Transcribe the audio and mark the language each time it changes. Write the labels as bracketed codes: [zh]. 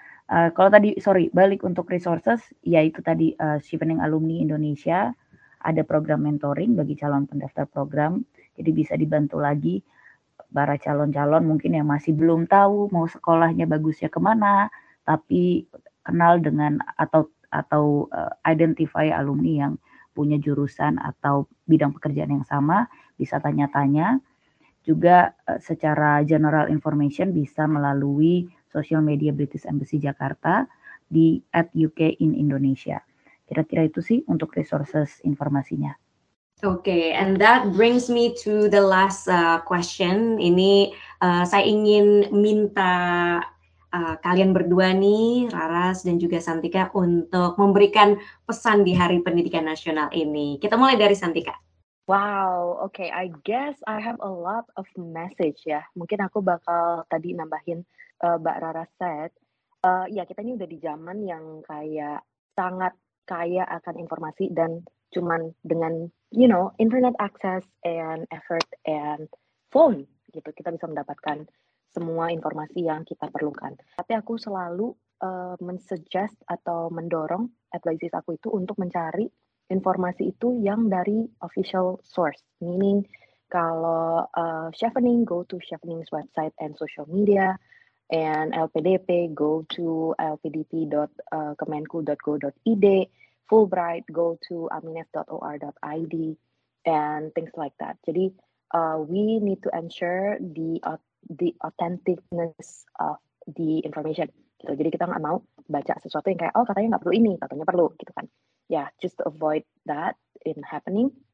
[id] Kalau tadi, sorry, balik untuk resources, yaitu tadi Stipending Alumni Indonesia, ada program mentoring bagi calon pendaftar program, jadi bisa dibantu lagi para calon-calon mungkin yang masih belum tahu mau sekolahnya bagusnya kemana, tapi kenal dengan atau identify alumni yang punya jurusan atau bidang pekerjaan yang sama, bisa tanya-tanya. Juga secara general information bisa melalui social media British Embassy Jakarta di @UKinIndonesia. Kira-kira itu sih untuk resources informasinya. [en] Okay, and that brings me to the last question. [id] Ini saya ingin minta kalian berdua nih, Raras dan juga Santika, untuk memberikan pesan di Hari Pendidikan Nasional ini. Kita mulai dari Santika. [en] Wow, okay. I guess I have a lot of message ya. [id] Mungkin aku bakal tadi nambahin Mbak Rara said. Ya, kita ini udah di zaman yang kayak sangat kaya akan informasi dan cuman dengan, [en] you know, internet access and effort and phone [id] gitu, kita bisa mendapatkan semua informasi yang kita perlukan. Tapi aku selalu mensuggest atau mendorong advisees aku itu untuk mencari informasi itu yang dari [en] official source, meaning [id] kalau Chevening, [en] go to Chevening's website and social media, and [id] LPDP, go to lpdp.kemenku.go.id, Fulbright, go to aminef.or.id, and things like that. [en] Jadi, we need to ensure the authenticness of the information. Gitu. [id] Jadi, kita nggak mau baca sesuatu yang kayak, oh, katanya nggak perlu ini, katanya perlu, gitu kan. [en] Yeah, just to avoid that in happening.